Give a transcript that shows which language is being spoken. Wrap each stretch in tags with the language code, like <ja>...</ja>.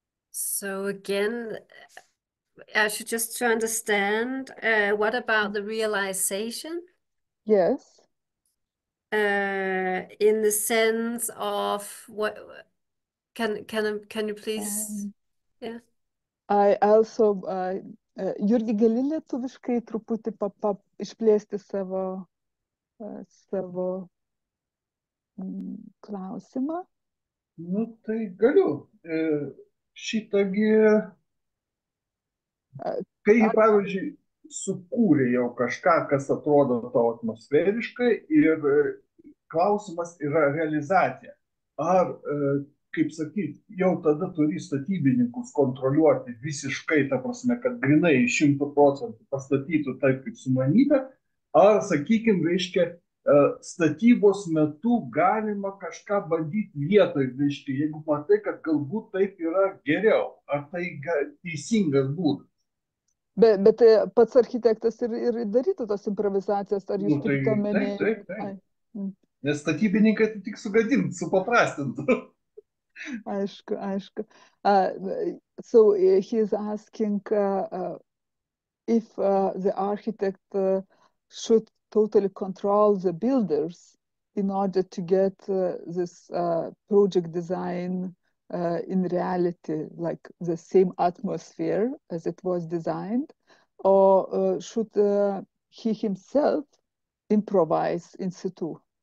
<en>So again, I should just to understand, what about the realization? Yes. In the sense of what, can you please, I also,</en> <lt>Jurgi, gali lietuviškai truputį išplėsti savo klausimą? Nu, tai galiu. Šitągi, kai, pavyzdžiui, sukūrė jau kažką, kas atrodo to atmosferiškai, ir klausimas yra realizacija. Ar, kaip sakyt, jau tada turi statybininkus kontroliuoti visiškai, ta prasme, kad grinai 100% pastatytų taip, kaip sumanyta, ar, sakykime, reiškia, statybos metu galima kažką bandyti vietoj, reiškia, jeigu matai, kad galbūt taip yra geriau, ar tai teisingas būdas. Bet pats architektas ir darytų tos improvizacijas, ar jūs turite omenyje? Taip. Nes statybininkai tai tik sugadintų, supaprastintų. Aišku.</lt> <en>So he's asking if the architect should totally control the builders in order to get this project design in reality, like the same atmosphere as it was designed, or should he himself improvise in situ?</en>